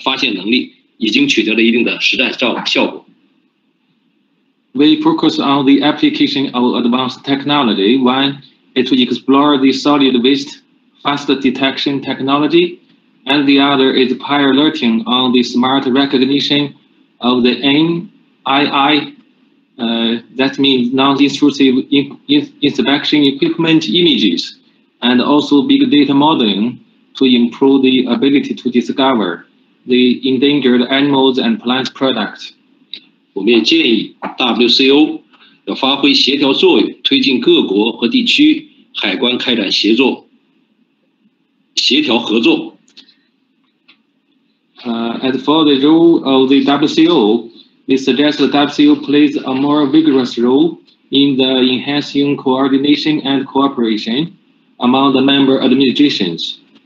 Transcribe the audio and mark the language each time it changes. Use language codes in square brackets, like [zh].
[zh] 我们注重科技手段的应用，一是研究固体废物快速的检测技术，二是研究采用飞禽入室的设备智能审图、大数据建模等方式来提高濒危动植物制品的发现能力，已经取得了一定的实战效果。 [en] We focus on the application of advanced technology. One is to explore the solid waste faster detection technology, and the other is piloting on the smart recognition of the NII, that means non-intrusive inspection equipment images, and also big data modeling to improve the ability to discover the endangered animals and plant products. [zh] 我们也建议 WCO 要发挥协调作用，推进各国和地区海关开展协作，协调合作。 [en] As for the role of the WCO, we suggest the WCO plays a more vigorous role in the enhancing coordination and cooperation among the member administrations.